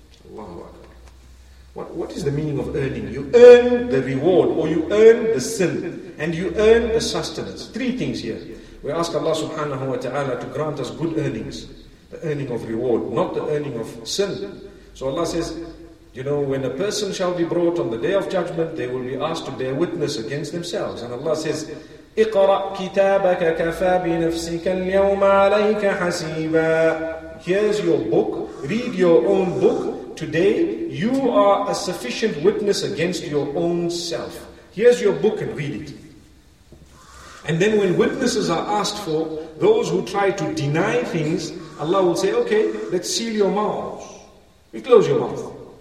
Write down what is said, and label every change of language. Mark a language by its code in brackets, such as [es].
[en] Allahu Akbar. What is the meaning of earning? You earn the reward, or you earn the sin, and you earn the sustenance. Three things here. We ask Allah subhanahu wa ta'ala to grant us good earnings. The earning of reward, not the earning of sin. So Allah says, you know, when a person shall be brought on the day of judgment, they will be asked to bear witness against themselves. And Allah says, [ar] اِقْرَأْ كِتَابَكَ كَفَى بِنَفْسِكَ الْيَوْمَ عَلَيْكَ حَسِيبًا. [en] Here's your book, read your own book. Today, you are a sufficient witness against your own self. Here's your book and read it. And then when witnesses are asked for, those who try to deny things, Allah will say, okay, let's seal your mouth. We close your mouth.